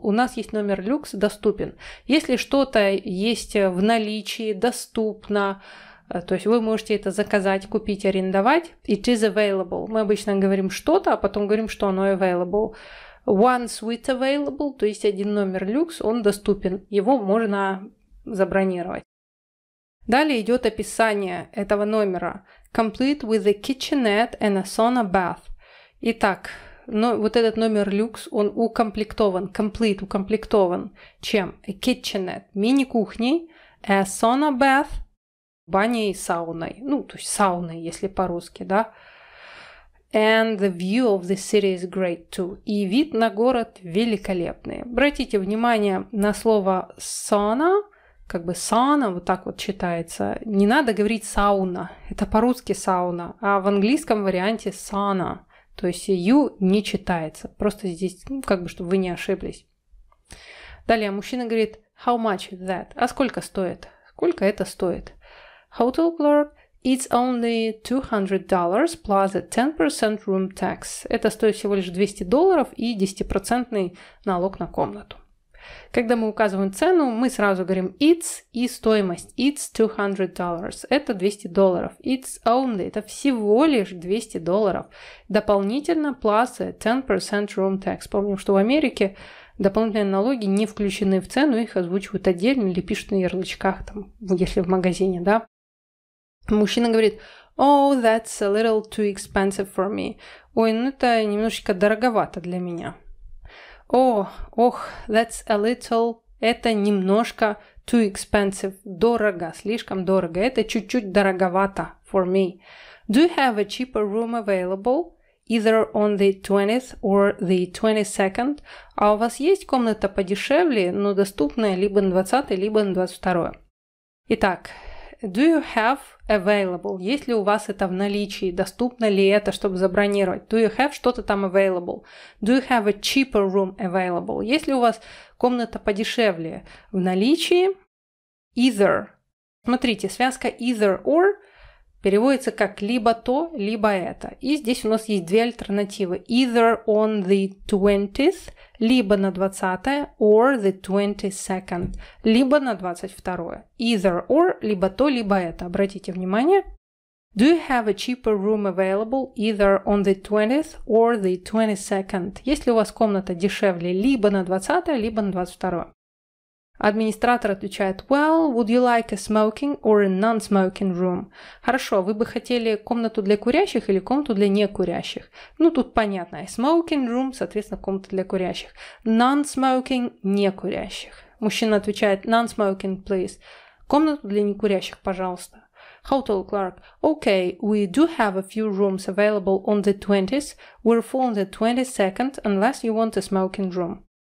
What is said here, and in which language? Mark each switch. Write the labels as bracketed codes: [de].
[ru] У нас есть номер люкс доступен. Если что-то есть в наличии, доступно, то есть вы можете это заказать, купить, арендовать. [en] It is available. [ru] Мы обычно говорим что-то, а потом говорим, что оно available. [en] One suite available, [ru] то есть один номер люкс, он доступен. Его можно забронировать. Далее идет описание этого номера. [en] Complete with a kitchenette and a sauna bath. [ru] Итак, но вот этот номер люкс, он укомплектован. Complete, укомплектован. Чем? A kitchenette, мини-кухней. [en] A sauna bath. [ru] Баней и сауной. Ну, то есть сауной, если по-русски, да. [en] And the view of the city is great too. [ru] И вид на город великолепный. Обратите внимание на слово sauna. Как бы sauna, вот так вот читается. Не надо говорить сауна. Это по-русски сауна. А в английском варианте sauna. То есть you не читается. Просто здесь, ну, как бы, чтобы вы не ошиблись. Далее мужчина говорит, [en] how much is that? [ru] А сколько стоит? Сколько это стоит? [en] Hotel clerk, it's only $200 plus a 10% room tax. [ru] Это стоит всего лишь $200 и 10% налог на комнату. Когда мы указываем цену, мы сразу говорим it's и стоимость. [en] It's $200. [ru] Это $200. [en] It's only. [ru] Это всего лишь $200. Дополнительно [en] plus a 10% room tax. [ru] Помним, что в Америке дополнительные налоги не включены в цену, их озвучивают отдельно или пишут на ярлычках, там, если в магазине, да? Мужчина говорит, [en] oh, that's a little too expensive for me. [ru] Ой, ну это немножечко дороговато для меня. Oh, ох, [en] that's a little, [ru] это немножко [en] too expensive, [ru] дорого, слишком дорого. Это чуть-чуть дороговато [en] for me. Do you have a cheaper room available, either on the 20th or the 22nd? [ru] А у вас есть комната подешевле, но доступная либо на 20-й, либо на 22-й? [en] Итак, do you have available? [ru] Есть ли у вас это в наличии? Доступно ли это, чтобы забронировать? [en] Do you have [ru] что-то там available? [en] Do you have a cheaper room available? [ru] Есть ли у вас комната подешевле в наличии? [en] Either. [ru] Смотрите, связка either or переводится как либо то, либо это. И здесь у нас есть две альтернативы. [en] Either on the 20th, [ru] либо на 20-е, [en] or the 22nd, [ru] либо на 22-е. [en] Either or, [ru] либо то, либо это. Обратите внимание. [en] Do you have a cheaper room available either on the 20th or the 22nd? [ru] Есть ли у вас комната дешевле либо на 20-е, либо на 22-е? Администратор отвечает, [en] well, would you like a smoking or a non-smoking room? [ru] Хорошо, вы бы хотели комнату для курящих или комнату для некурящих? Ну, тут понятно, smoking room, соответственно, комната для курящих. Non-smoking, некурящих. Мужчина отвечает: [en] «Non-smoking, please». [ru] «Комнату для некурящих, пожалуйста». [en] Hotel clerk: «Okay, we do have a few rooms available on the 20th. We're full on the 22nd, unless you want a smoking room».